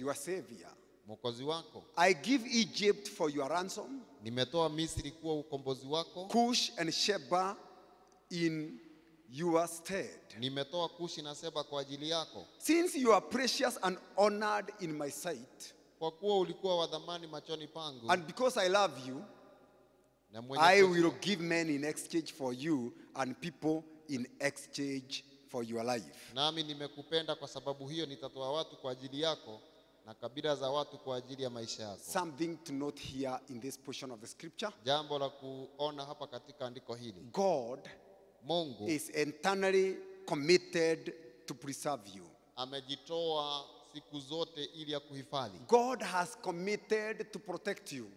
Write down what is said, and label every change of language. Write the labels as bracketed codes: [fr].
[en] Your Savior. [sw] Mwokozi wako. [en] I give Egypt for your ransom. [sw] Nimetoa Misri kuwa ukombozi wako. [en] Cush and Sheba in your stead. [sw] Nimetoa Kushi na Seba kwa ajili yako. [en] Since you are precious and honored in my sight. [sw] Kwa kuwa ulikuwa wa dhamani machoni pangu. [en] And because I love you, [sw] na mwenye I kusura. [en] Will give men in exchange for you and people in exchange for your life. [sw] Nami nimekupenda kwa sababu hiyo nitatoa watu kwa ajili yako na kabila za watu kwa ajili ya maisha yako. [en] Something to note here in this portion of the scripture. [sw] Jambo la kuona hapa katika andiko hili. [en] God [sw] Mungu [en] is eternally committed to preserve you. [sw] Amejitoa siku zote ili akuhifadhi. [en] God has committed to protect you.